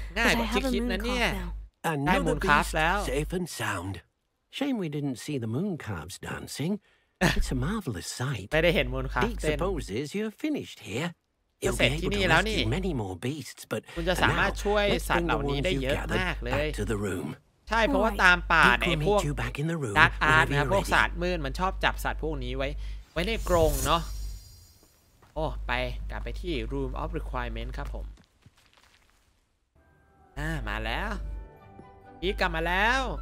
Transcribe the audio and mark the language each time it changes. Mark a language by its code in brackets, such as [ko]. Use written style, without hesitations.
[th] ง่ายกว่าที่คิดนะเนี่ยได้มูนคาร์ฟแล้ว [en] Safe and sound. Shame we didn't see the moon calves dancing. It's a marvelous sight. [th] ไม่ได้เห็นมูนคาร์ฟเต้น [en] Deke supposes you're finished here. You'll be able to rescue many more beasts, but [th] คุณจะสามารถช่วยสัตว์เหล่านี้ได้เยอะมากเลยใช่เพราะว่าตามป่าเนี่ยพวกดักอาร์ตนะพวกสัตว์มืดมันชอบจับสัตว์พวกนี้ไว้ในกรงเนาะโอ้กลับไปที่ Room of Requirement ครับผมมาแล้วอีกกลับมาแล้ว